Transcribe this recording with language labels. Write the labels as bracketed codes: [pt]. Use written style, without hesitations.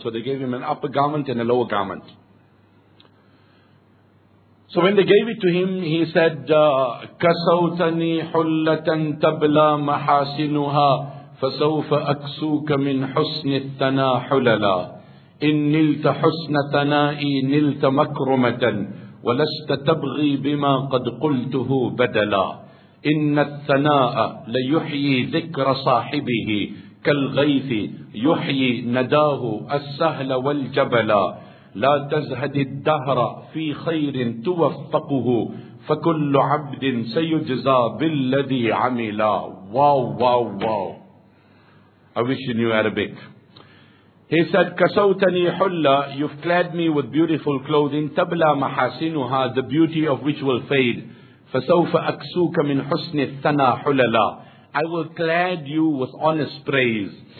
[en] So they gave him an upper garment and a lower garment. So when they gave it to him, he said, [ar] Kasawtani hullatan tabla mahasinuha, fasawfa aksuka min husnitana hulala. إن نلت حسن ثنائي نلت مكرمة ولست تبغي بما قد قلته بدلا إن الثناء ليحيي ذكر صاحبه كالغيث يحيي نداه السهل والجبلا لا تزهد الدهر في خير توفقه فكل عبد سيجزى بالذي عملا. [en] Wow wow wow. I wish you knew Arabic. He said, [ar] Kasawtani hulla, [en] you've clad me with beautiful clothing, [ar] tabla mahasinuha, [en] the beauty of which will fade. [ar] Fasawfa aksuka min husni thana hulala. [en] I will clad you with honest praise.